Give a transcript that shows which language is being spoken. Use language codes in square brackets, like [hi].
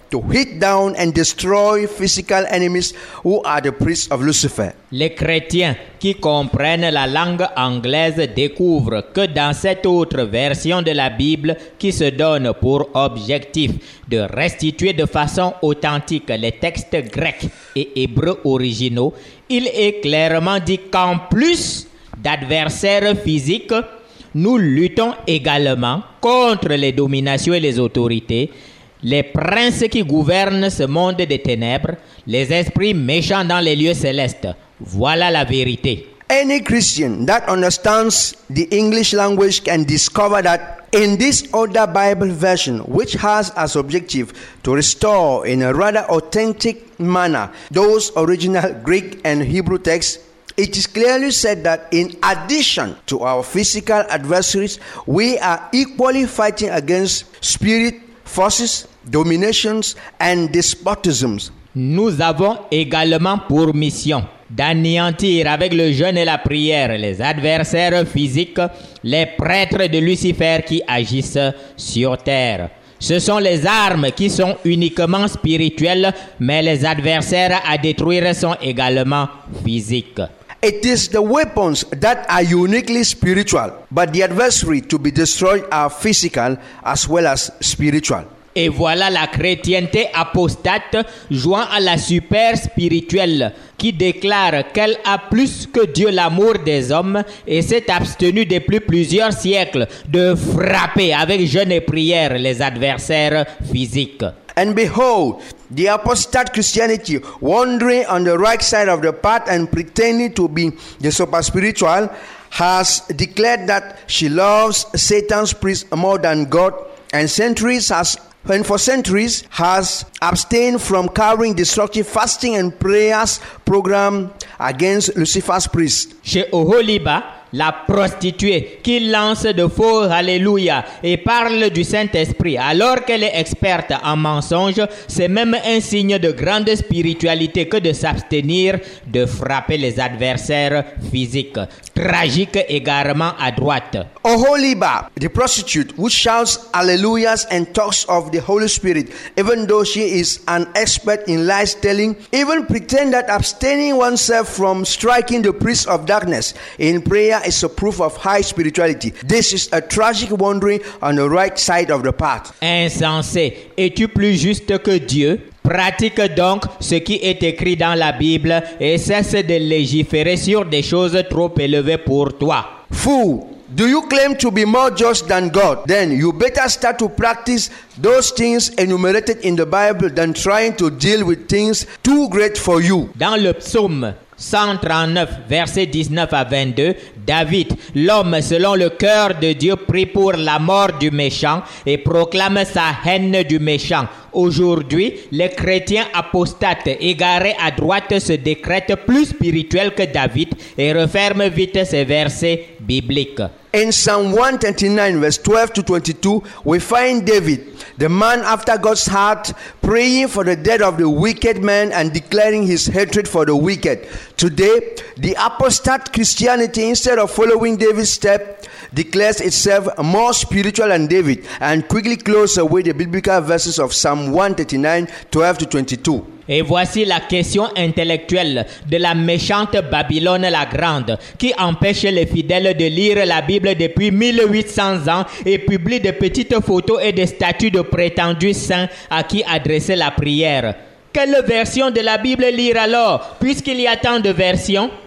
[en] To hit down and destroy physical enemies who are the priests of Lucifer. [fr] Les chrétiens qui comprennent la langue anglaise découvrent que dans cette autre version de la Bible qui se donne pour objectif de restituer de façon authentique les textes grecs et hébreux originaux, il est clairement dit qu'en plus d'adversaires physiques, nous luttons également contre les dominations et les autorités, les princes qui gouvernent ce monde des ténèbres, les esprits méchants dans les lieux célestes. Voilà la vérité. [en] Any Christian that understands the English language can discover that in this older Bible version, which has as objective to restore in a rather authentic manner those original Greek and Hebrew texts, it is clearly said that in addition to our physical adversaries, we are equally fighting against spirit forces, dominations and despotisms. [fr] Nous avons également pour mission d'anéantir avec le jeûne et la prière les adversaires physiques, les prêtres de Lucifer qui agissent sur terre. Ce sont les armes qui sont uniquement spirituelles, mais les adversaires à détruire sont également physiques. [en] It is the weapons that are uniquely spiritual, but the adversary to be destroyed are physical as well as spiritual. [fr] Et voilà la chrétienté apostate jouant à la super spirituelle qui déclare qu'elle a plus que Dieu l'amour des hommes et s'est abstenue depuis plusieurs siècles de frapper avec jeûne et prière les adversaires physiques. [en] And behold, the apostate Christianity, wandering on the right side of the path and pretending to be the super spiritual, has declared that she loves Satan's priest more than God, and for centuries has abstained from carrying destructive fasting and prayers program against Lucifer's priest. [fr] Chez Oholiba, la prostituée qui lance de faux hallelujah et parle du Saint-Esprit alors qu'elle est experte en mensonges, c'est même un signe de grande spiritualité que de s'abstenir de frapper les adversaires physiques. Tragique égarement à droite. [en] Oholiba, the prostitute who shouts hallelujahs and talks of the Holy Spirit, even though she is an expert in lies telling, even pretend that abstaining oneself from striking the priest of darkness in prayer is a proof of high spirituality. This is a tragic wandering on the right side of the path. [fr] Insensé, es-tu plus juste que Dieu? Pratique donc ce qui est écrit dans la Bible et cesse de légiférer sur des choses trop élevées pour toi. [en] Fool, do you claim to be more just than God? Then you better start to practice those things enumerated in the Bible than trying to deal with things too great for you. [fr] Dans le psaume 139, versets 19 à 22, David, l'homme selon le cœur de Dieu, prie pour la mort du méchant et proclame sa haine du méchant. Aujourd'hui, les chrétiens apostates égarés à droite se décrètent plus spirituels que David et referment vite ces versets bibliques. [en] In Psalm 139, verse 12 to 22, we find David, the man after God's heart, praying for the death of the wicked man and declaring his hatred for the wicked. Today, the apostate Christianity, instead of following David's step, declares itself more spiritual than David and quickly closes away the biblical verses of Psalm 139, 12 to 22. [fr] Et voici la question intellectuelle de la méchante Babylone la Grande qui empêche les fidèles de lire la Bible depuis 1800 ans et publie de petites photos et des statues de prétendus saints à qui adresser la prière. Quelle version de la Bible lire alors, puisqu'il y a tant de versions?